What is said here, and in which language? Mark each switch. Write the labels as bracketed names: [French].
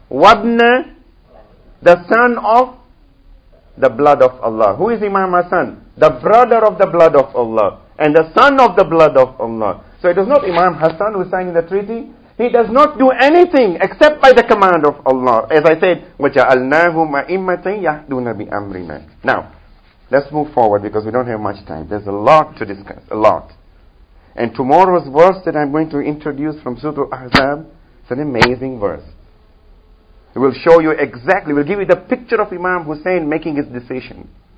[English] Wabna, the son of the blood of Allah. Who is Imam Hassan? The brother of the blood of Allah. And the son of the blood of Allah. So it was not Imam Hassan who signed the treaty. He does not do anything except by the command of Allah. As I said, [Arabic] وَجَعَلْنَاهُمْ أَئِمَّةً يَحْدُونَ بِأَمْرِنَا. [English] Now, let's move forward because we don't have much time. There's a lot to discuss, a lot. And tomorrow's verse that I'm going to introduce from Surah Al-Ahzab, it's an amazing verse. It will show you exactly, it will give you the picture of Imam Hussein making his decision.